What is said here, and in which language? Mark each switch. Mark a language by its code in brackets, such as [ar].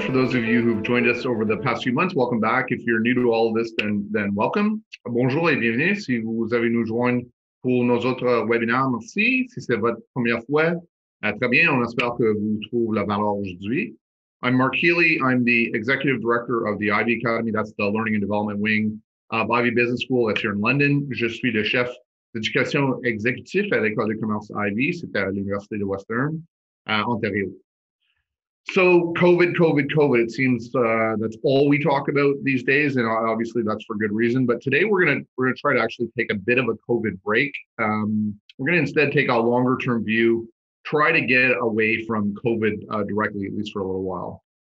[en] For those of you who've joined us over the past few months, welcome back. If you're new to all of this, then welcome. [fr] Bonjour et bienvenue. Si vous avez nous joint pour nos autres webinaires, merci. Si c'est votre première fois, très bien. On espère que vous trouvez la valeur aujourd'hui. [en] I'm Mark Healy. I'm the Executive Director of the Ivey Academy. That's the Learning and Development Wing of Ivey Business School. That's here in London. [fr] Je suis le chef d'éducation exécutif à l'École de commerce Ivey. C'était à l'Université de Western, Ontario. [en] So COVID, it seems that's all we talk about these days, and obviously that's for good reason. But today we're gonna try to actually take a bit of a COVID break. We're gonna instead take a longer term view, try to get away from COVID directly, at least for a little while.